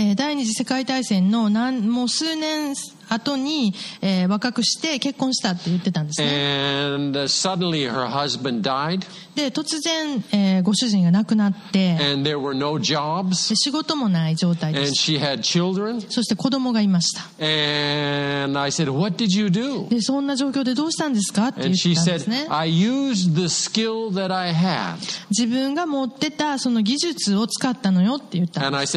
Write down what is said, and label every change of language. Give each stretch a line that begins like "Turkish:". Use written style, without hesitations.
Japanese: 第二次世界大戦のもう数年後に、若くして結婚したって言ってたんですね。
English: And suddenly her husband died.
Japanese: で突然、ご主人が亡くなって、
English: And there were no jobs.
Japanese: で仕事もない状態です。
English: And she had children.
Japanese: そして子供がいました。
English: And I said, what did you do?
Japanese: でそんな状況でどうしたんですかって言ってたんですね。
English: And she said, I used the skill that I had.
Japanese: 自分が持ってたその技術を使ったのよって言ったんです。